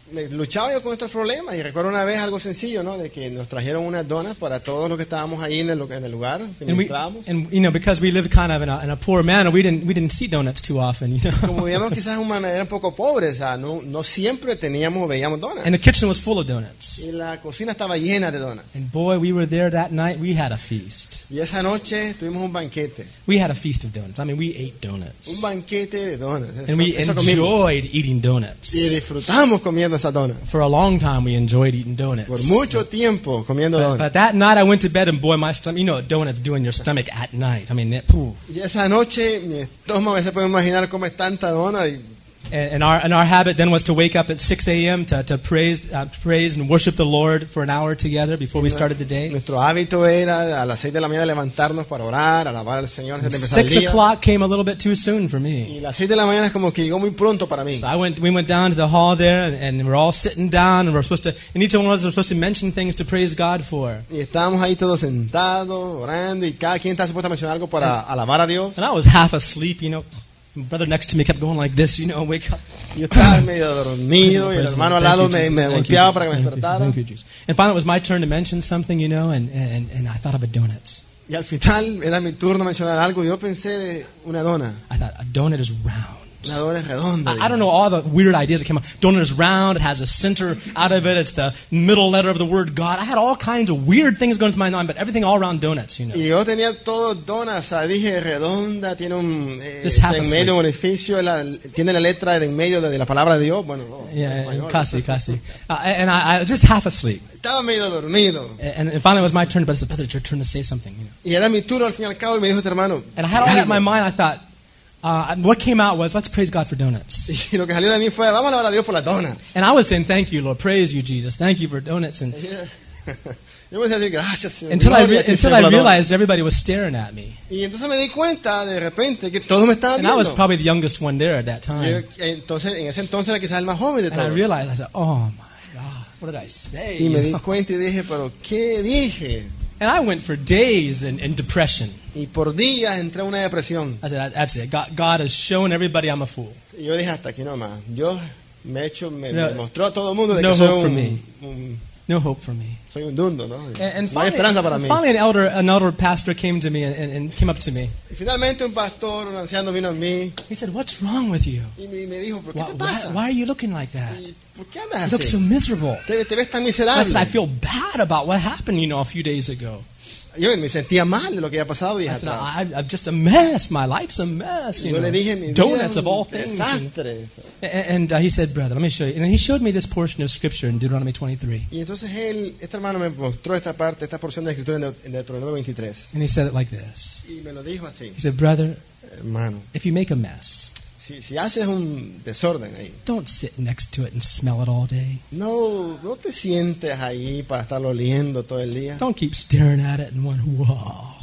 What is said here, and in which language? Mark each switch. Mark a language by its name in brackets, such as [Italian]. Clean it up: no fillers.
[Spanish] Luchaba yo con estos problemas y recuerdo una vez algo sencillo, ¿no? De que nos trajeron unas donas para todos los que estábamos ahí en el lugar. [English] And you know, because we lived kind of in a poor manner, we didn't see donuts too often, you know. [Spanish] Como vivíamos quizás en una manera un poco pobre, o sea, no siempre teníamos o veíamos donuts. [English] And the kitchen was full of donuts. [Spanish] Y la cocina estaba llena de donas. [English] And boy, we were there that night, we had a feast. [Spanish] Y esa noche tuvimos un banquete. [English] We had a feast of donuts. I mean, we ate donuts. [Spanish] Un banquete de donuts. [English] And we enjoyed eating donuts. [Spanish] Y disfrutamos comiendo. [English] For a long time, we enjoyed eating donuts. [Spanish] Por mucho tiempo comiendo donuts. [English] But that night, I went to bed, and boy, my stomach—you know, donuts doing your stomach at night. I mean, [Spanish] y esa noche, mi estómago se puede imaginar cómo es tanta dona. [English] And our habit then was to wake up at 6 a.m. to praise and worship the Lord for an hour together before we started the day. [Spanish] Nuestro hábito era a las 6 de la mañana levantarnos para orar, alabar al Señor. [English] 6 o'clock came a little bit too soon for me. [Spanish] Y las 6 de la mañana es como que llegó muy pronto para mí. [English] So we went down to the hall there and we're all sitting down and we're supposed to, and each one of us are supposed to mention things to praise God for. [Spanish] Y estábamos ahí todos sentados, orando, y cada quien está supuesto a mencionar algo para alabar a Dios. [English] And I was half asleep, you know. My brother next to me kept going like this, you know, wake up. [Spanish] Yo estaba medio dormido y el hermano al lado me golpeaba para que me despertara. [English] And finally it was my turn to mention something, you know, and I thought of a donut. [Spanish] Y al final era mi turno mencionar algo, yo pensé de una dona. [English] I thought, a donut is round. [Spanish] La dona es redonda. [English] I don't know all the weird ideas that came up. Donut is round, it has a center out of it, it's the middle letter of the word God. I had all kinds of weird things going through my mind, but everything all around donuts, you know. [Spanish] Y yo tenía todo donas, dije redonda, tiene un en medio, un orificio, tiene la letra en medio de la palabra de Dios, bueno, casi. [English] And I was just half asleep. [Spanish] Estaba medio dormido. [English] And finally it was my turn, but I said, Pedro, it's your turn to say something, you know. [Spanish] Y era mi turno al fin y al cabo, y me dijo tu hermano. [English] And I had all that in my mind, I thought, what came out was, let's praise God for donuts. [Spanish] Y lo que salió de mí fue, vamos a alabar a Dios por las donuts. [English] And I was saying, thank you, Lord, praise you, Jesus, thank you for donuts. And [Spanish] yo me decía, gracias, Señor. [English] Until I realized everybody was staring at me. [Spanish] Y entonces me di cuenta de repente que todos me estaban [English] and [Spanish] viendo. [English] I was probably the youngest one there at that time. [Spanish] Entonces, en ese entonces era quizás el más joven de todos. [English] And I realized, I said, oh my God, what did I say? [Spanish] Y me di cuenta y dije, pero ¿qué dije? [English] And I went for days in depression. [Spanish] Y por días entré una depresión. [English] I said, that's it. God has shown everybody I'm a fool. [Spanish] Y yo dije, hasta aquí nomás. Dios me ha hecho, me mostró a todo el mundo de [English] no [Spanish] que soy [English] hope for me. No hope for me. [Spanish] Soy un dundo, ¿no? [English] And [Spanish] no hay esperanza para mí. [English] Finally, an elder pastor came to me and came up to me. [Spanish] Y finalmente un pastor, un anciano vino a mí. [English] He said, "What's wrong with you? Why are you looking like that? You look so miserable." [Spanish] Te ves tan miserable. [English] I said, "I feel bad about what happened, you know, a few days ago." [Spanish] Yo me sentía mal de lo que había pasado días atrás. [English] I'm just a mess. My life's a mess. You [Spanish] yo [English] know, [Spanish] le dije, mi [English] donuts of all things. [Spanish] Desastre. [English] And he said, "Brother, let me show you." And he showed me this portion of scripture in Deuteronomy 23. [Spanish] Y entonces él, este hermano me mostró esta parte, esta porción de escritura en Deuteronomio 23. [English] And he said it like this. [Spanish] Y me lo dijo así. [English] He said, "Brother, [Spanish] hermano, [English] if you make a mess, [Spanish] si haces un desorden ahí, [English] don't sit next to it and smell it all day. [Spanish] No te sientes ahí para estarlo oliendo todo el día. [English] Don't keep staring at it and wonder, wow.